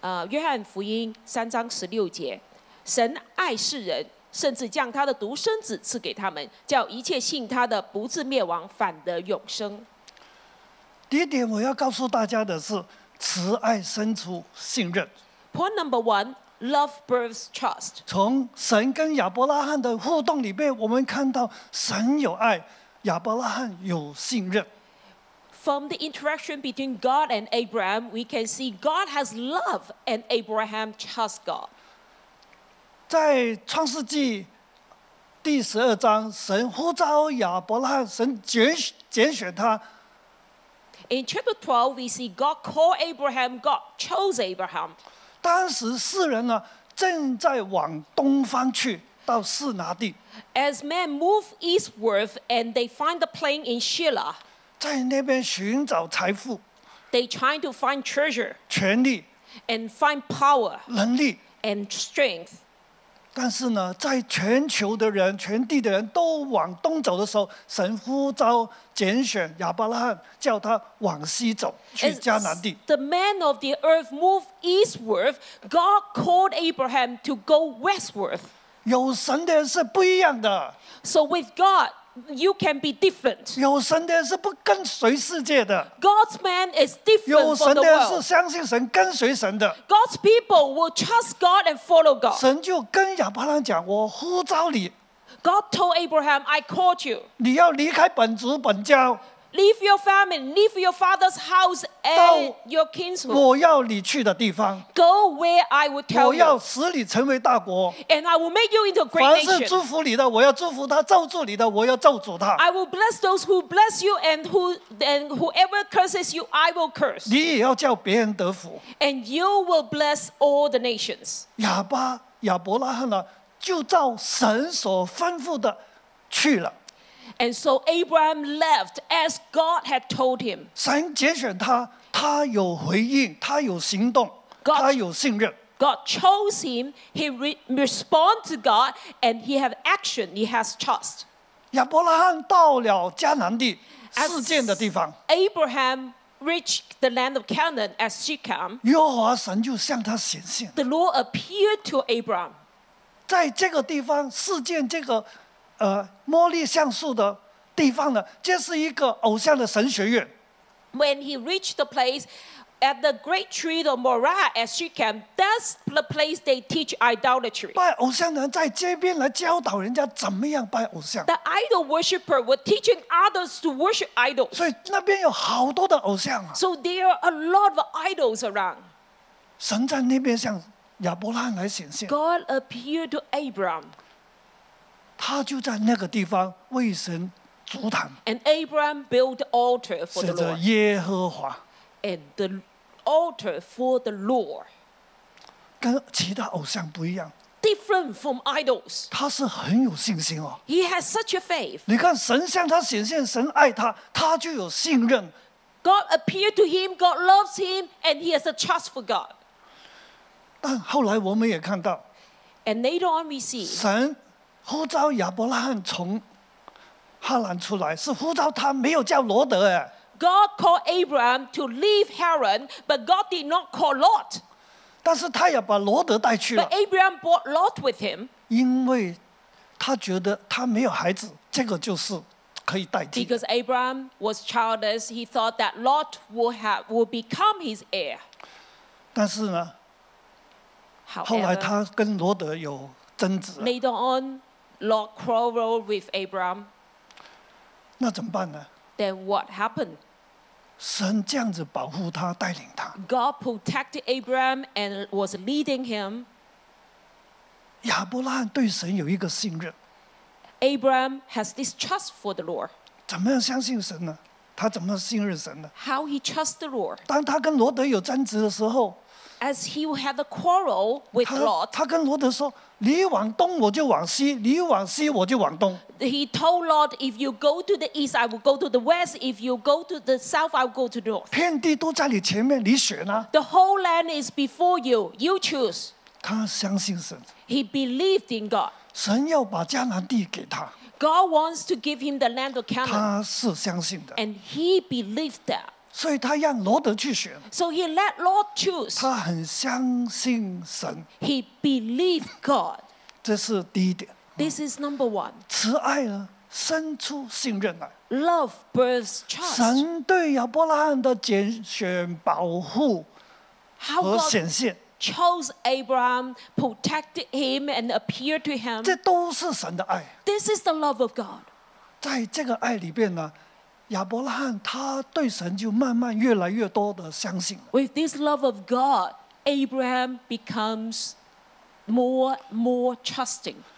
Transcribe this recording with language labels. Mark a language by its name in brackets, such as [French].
[Chinese] 约翰福音3:16，神爱世人，甚至将他的独生子赐给他们，叫一切信他的不至灭亡，反得永生。第一点我要告诉大家的是，慈爱生出信任。 [English] Point number one, love births trust. [Chinese] 从神跟亚伯拉罕的互动里面，我们看到神有爱，亚伯拉罕有信任。 [English] From the interaction between God and Abraham, we can see God has love and Abraham trusts God. [Chinese] 在创世纪第12，神呼召亚伯拉罕，神拣选他。 [English] In chapter 12, we see God called Abraham, God chose Abraham. [Chinese] 当时世人呢，正在往东方去，到示拿地。 [English] As men move eastward and they find the plain in Shiloh, [Chinese] 在那边寻找财富。 [English] They trying to find treasure, [Chinese] 权力。 [English] And find power, [Chinese] 能力。 [English] And strength. [Chinese] 但是呢，在全球的人、全地的人都往东走的时候，神呼召拣选亚伯拉罕，叫他往西走，去迦南地。 [English] As、the man of the earth move eastward, God called Abraham to go westward. [Chinese] 有神的人是不一样的。 [English] So with God, you can be different. [Chinese] 有神的人是不跟随世界的。 [English] God's man is different from the world. [Chinese] 有神的人是相信神、跟随神的。 [English] God's people will trust God and follow God. [Chinese] 神就跟亚伯拉罕讲：“我呼召你。” [English] God told Abraham, "I called you." [Chinese] 你要离开本族本家。 [English] Leave your family, leave your father's house and your kinsmen. [Chinese] 我要你去的地方。 [English] Go where I would tell you. [Chinese] 我要使你成为大国。 [English] And I will make you into a great nation. [Chinese] 凡是祝福你的，我要祝福他；咒诅你的，我要咒诅他。 [English] I will bless those who bless you, and whoever curses you, I will curse. [Chinese] 你也要叫别人得福。 [English] And you will bless all the nations. [Chinese] 亚伯拉罕呢，就照神所吩咐的去了。 [English] And so Abraham left as God had told him. [Chinese] 神拣选他，他有回应，他有行动，他有信任。 [English] God chose him. He responded to God, and he had action. He has trust. [Chinese] 亚伯拉罕到了迦南地，事件的地方。 [English] Abraham reached the land of Canaan at Shechem. [Chinese] 耶和华神就向他显现。 [English] The Lord appeared to Abraham. [Chinese] 在这个地方，事件这个。摩利橡树的地方呢，这是一个偶像的神学院。 [English] When he reached the place at the great tree of Moriah at Shechem, that's the place they teach idolatry. [Chinese] 拜偶像的人在街边来教导人家怎么样拜偶像。 [English] The idol worshipper was teaching others to worship idols. [Chinese] 所以那边有好多的偶像啊。 [English] So there are a lot of idols around. [Chinese] 神在那边向亚伯拉罕来显现。 [English] God appeared to Abraham. [Chinese] 他就在那个地方为神筑坛。 [English] And Abraham built the altar for the Lord. [Chinese] 指着耶和华。 [English] And the altar for the Lord. [Chinese] 跟其他偶像不一样。 [English] Different from idols. [Chinese] 他是很有信心哦。 [English] He has such a faith. [Chinese] 你看神向他显现，神爱他，他就有信任。 [English] God appeared to him, God loves him, and he has a trust for God. [Chinese] 但后来我们也看到。 [English] And later on we see. [Chinese] 神呼召亚伯拉罕从哈兰出来，是呼召他，没有叫罗德。 [English] God called Abraham to leave Haran, but God did not call Lot. [Chinese] 但是他也把罗德带去了。 [English] But Abraham brought Lot with him. [Chinese] 因为他觉得他没有孩子，这个就是可以代替。 [English] Because Abraham was childless, he thought that Lot would become his heir. [Chinese] 但是呢， [English] However, [Chinese] 后来他跟罗德有。 [English] Later on, Lot quarreled with Abraham. [Chinese] 那怎么办呢？ [English] Then what happened? [Chinese] 神这样子保护他，带领他。 [English] God protected Abraham and was leading him. [Chinese] 亚伯拉罕对神有一个信任。 [English] Abraham has this trust for the Lord. [Chinese] 怎么样相信神呢？他怎么信任神呢？ [English] How he trusts the Lord. [Chinese] 当他跟罗德有争执的时候， [English] as he will have a quarrel with Lot. [Chinese] 他跟罗德说，你往东我就往西，你往西我就往东。 [English] He told Lot, if you go to the east, I will go to the west. If you go to the south, I will go to the north. [Chinese] 遍地都在你前面，你选啊。 [English] The whole land is before you. You choose. [Chinese] 他相信神。 [English] He believed in God. [Chinese] 神要把迦南地给他。 [English] God wants to give him the land of Canaan. [Chinese] 他是相信的。 [English] And he believed that. [Chinese] 所以他让罗德去选。 [English] So he let Lot choose. [Chinese] 他很相信神。 [English] He believed God. [Chinese] 这是第一点。 [English] This is number one. [Chinese] 慈爱呢，生出信任来。 [English] Love births trust. [Chinese] 神对亚伯拉罕的拣选、保护和显现。 [English] How God chose Abraham, protected him, and appeared to him. [Chinese] 这都是神的爱。 [English] This is the love of God. [Chinese] 在这个爱里边呢。亚伯拉罕他对神就慢慢越来越多的相信。 [English] With this love of God, Abraham becomes more trusting.